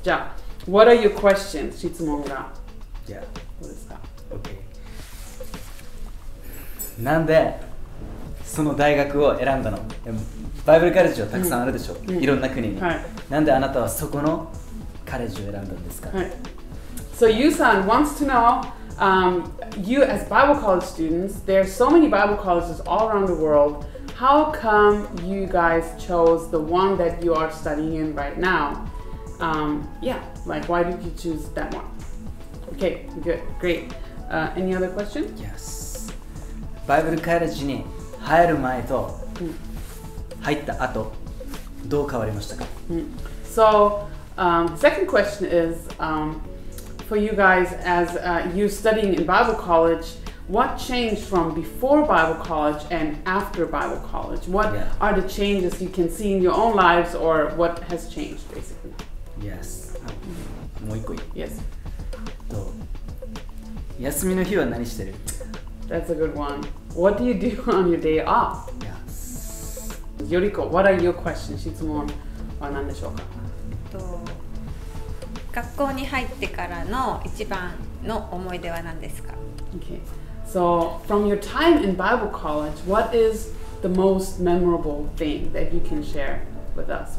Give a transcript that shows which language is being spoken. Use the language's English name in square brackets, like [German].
[English] じゃあ、What are your questions? 質問が。 Yeah. [Japanese] どうですか Okay. なんでその大学を選んだの？バイブルカレッジはたくさんあるでしょ、うん、いろんな国に、はい、なんであなたはそこのカレッジを選んだんですか、 [English] はい、So Yu-san wants to know、you as Bible college students, there are so many Bible colleges all around the world. How come you guys chose the one that you are studying in right now?、yeah, like why did you choose that one? Okay, good, great、any other question? Yes. [Japanese] バイブルカレッジに入る前と入った後どう変わりましたか [English] So, second question is、for you guys as、you're studying in Bible college, what changed from before Bible college and after Bible college? What、yeah. are the changes you can see in your own lives or what has changed basically? [Japanese] Yes. もう一個いい Yes. どう休みの日は何してる [English] That's a good one. What do you do on your day off? Yes. Yuriko, what are your questions? [Japanese] 質問は何でしょうか学校に入ってからの一番の思い出は何ですか Okay. [English] So, from your time in Bible college, what is the most memorable thing that you can share with us?